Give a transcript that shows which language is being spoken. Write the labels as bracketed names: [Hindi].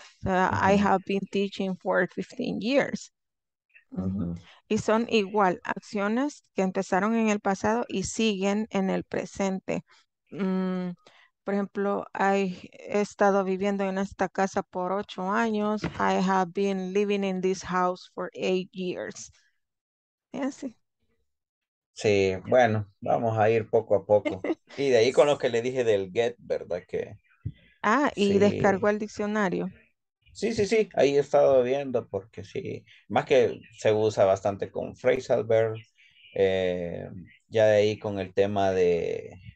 [English] So, I have been teaching for 15 years. [Spanish] Y son igual acciones que empezaron en el pasado y siguen en el presente. Por ejemplo, he estado viviendo en esta casa por 8 años. [English] I have been living in this house for 8 years. [Spanish] Así. Sí, bueno, vamos a ir poco a poco. Y de ahí con lo que le dije del get, ¿verdad? Que Ah, y descargó sí. el diccionario. Sí, ahí he estado viendo porque sí. Más que se usa bastante con phrasal verb. Ya de ahí con el tema de.